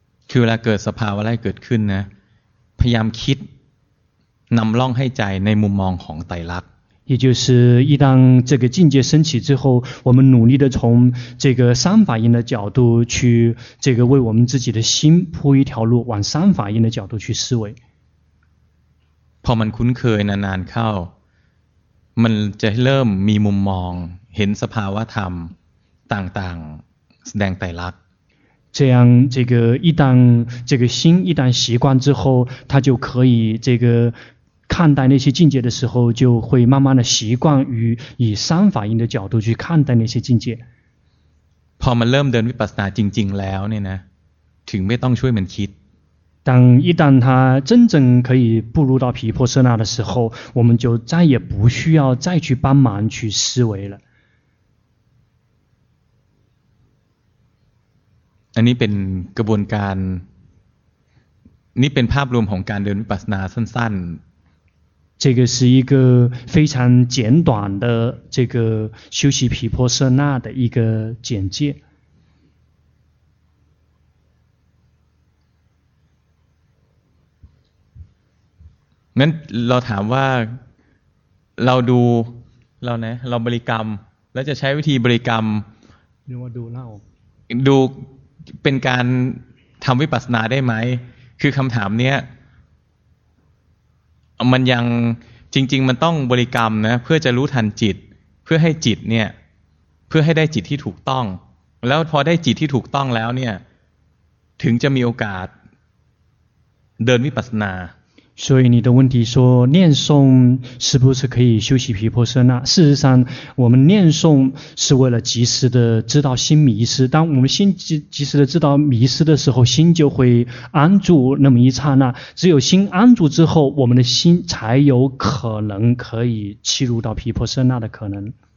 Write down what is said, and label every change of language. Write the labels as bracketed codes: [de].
[th] คือเวลาเกิดสภาวะอะไรเกิดขึ้นนะพยายามคิดนำร่องให้ใจในมุมมองของไตรลักษณ์ [zh] 也就是一旦这个境界升起之后我们努力的从这个三法印的角度去这个为我们自己的心铺一条路往三法印的角度去思维 [th] พอมันคุ้นเคยนานๆเข้ามันจะเริ่มมีมุมมองเห็นสภาวะธรรมต่างๆแสดงไตรลักษณ์ [zh] 这样这个一旦这个心一旦习惯之后他就可以这个看待那些境界的时候就会慢慢的习惯于以三法印的角度去看待那些境界 [th] พอมันเริ่มเดินวิปัสสนาจริงๆแล้วเนี่ยนะถึงไม่ต้องช่วยมันคิด [zh] 当一旦他真正可以步入到毗婆舍那的时候我们就再也不需要再去帮忙去思维了 [th] อันนี้เป็นกระบวนการนี่เป็นภาพรวมของการเดินวิปัสสนาสั้น [zh] ๆ这个是一个非常简短的这个修习毗婆舍那的一个简介 [th] งั้นเราถามว่าเราดูเราเนี่ยเราบริกรรมแล้วจะใช้วิธีบริกรรม หรือว่าดูเล่า ดูเป็นการทำวิปัสสนาได้ไหมคือคำถามเนี้ยมันยังจริงๆมันต้องบริกรรมนะเพื่อจะรู้ทันจิตเพื่อให้จิตเนี่ยเพื่อให้ได้จิตที่ถูกต้องแล้วพอได้จิตที่ถูกต้องแล้วเนี่ยถึงจะมีโอกาสเดินวิปัสสนา [zh] 所以你的问题说念诵是不是可以修习毗婆舍那？事实上，我们念诵是为了及时的知道心迷失。当我们心及时的知道迷失的时候，心就会安住那么一刹那。只有心安住之后，我们的心才有可能可以契入到毗婆舍那的可能。